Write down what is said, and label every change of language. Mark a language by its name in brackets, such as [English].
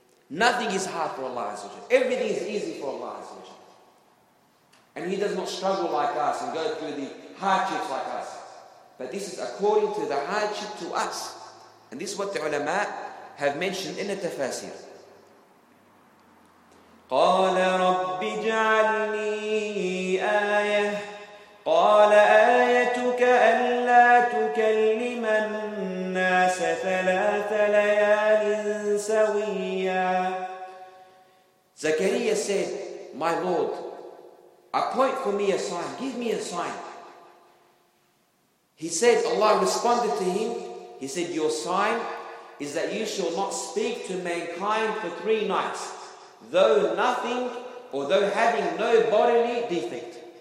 [English] Nothing is hard for Allah Azza wa Jal. Everything is easy for Allah Azza wa Jal. And He does not struggle like us and go through the hardships like us. But this is according to the hardship to us. And this is what the ulama have mentioned in the tafasir. [Arabic] قال رب اجعلني آية قال آيتك ألا تكلم الناس ثلاث ليال سويا. [English] Zakaria said, "My Lord, appoint for me a sign, give me a sign." He said, Allah responded to him, he said, "Your sign is that you shall not speak to mankind for 3 nights, though nothing, or though having no bodily defect."